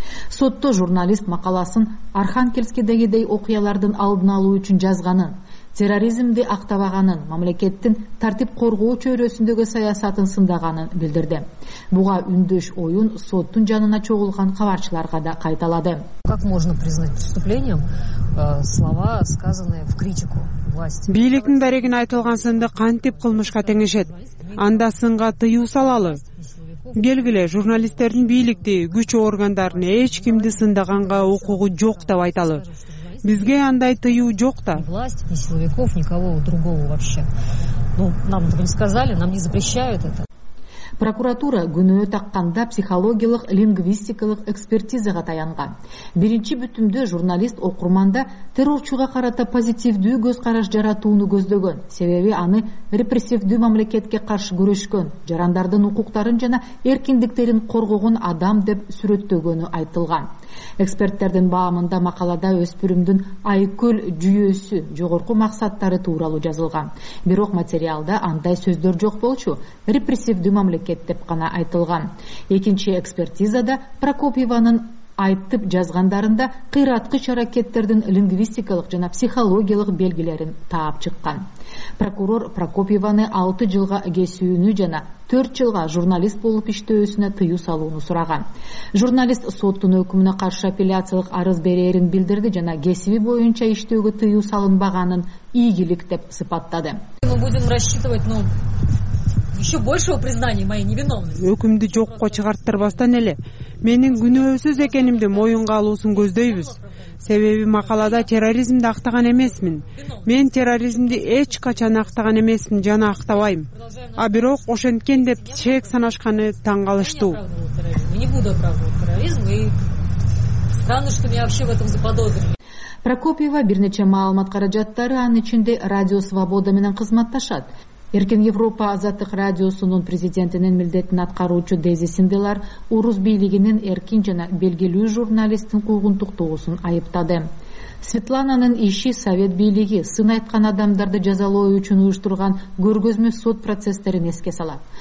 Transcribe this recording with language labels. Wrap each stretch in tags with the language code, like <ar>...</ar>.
<ky>Сотто журналист макаласын Архангельскидегидей окуялардын алдын алуу үчүн жазганын, терроризмди актабаганын, мамлекеттин тартип коргоо чөйрөсүндөгү саясатын сындаганын билдирди. Буга үндөш оюн соттун жанына чогулган кабарчыларга да кайталады.</ky> <ru>Как можно признать преступлением слова, сказанные в критику власти?</ru> <ky>Бийликтин дарегине айтылган сынды кантип кылмышка теңешет? Анда сынга тыюу салалы? Белгиле, журналисттердин бийликти, күч органдарын эч кимди сындаганга укугу жок деп айталы. Бизге андай тыюу жок да.</ky> <ru>Власть, ни силовиков, никого другого вообще. Ну, нам так не сказали, нам не запрещают это.</ru> <ky>Прокуратура күнөө такканда психологиялык, лингвистикалык экспертизага таянган. Биринчи бүтүмдө журналист окурманда террорчуга карата позитивдүү көз караш жаратууну көздөгөн. Себеби аны репрессивдүү мамлекетке каршы күрөшкөн, жарандардын укуктарын жана эркиндиктерин коргогон адам деп сүрөттөгөнү айтылган. Эксперттердин баамында макалада өспүрүмдүн айкөл жүйөсү жогорку максаттары тууралуу жазылган. Бирок материалда андай сөздөр жок болчу. Репрессивдүү мамлекет деп гана айтылган. Экинчи экспертизада Прокопьеванын айтып жазгандарында кыйраткыч аракеттердин лингвистикалык жана психологиялык белгилерин таап чыккан. Прокурор Прокопьеваны 6 жылга кесүүнү жана 4 жылга журналист болуп иштөөсүнө тыюу салууну сураган. Журналист соттун өкүмүнө каршы апелляциялык арыз берерин билдирди жана кесиби боюнча иштөөгө тыюу салынбаганын ийгилик деп сыпаттады.</ky> <ru>Мы будем рассчитывать, ну, еще большего признания моей невиновности.</ru> <ky>Өкүмдү жокко чыгарттырбастан эле менин күнөөсүз экенимди моюнга алуусун көздөйбүз. Себеби макалада терроризмди актаган эмесмин. Мен терроризмди эч качан актаган эмесмин жана актабайм. А бирок ошенткен деп чек санашканы таң калыштуу.</ky> <ru>Не буду оправдывать терроризм и странно, что вообще в этом заподозрили.</ru> <ky>Прокопьева бир нече маалымат каражаттары анын ичинде Радио Свобода менен кызматташат. Эркин Европа Азаттык радиосунун президентинин милдетин аткаруучу Дези Синделар орус бийлигинин эркин жана белгилүү журналисттин куугун токтоосун айыптады. Светлананын иши совет бийлиги сын айткан адамдарды жазалоо үчүн уюштурган көргөзмө сот процесстерин эске салат.</ky>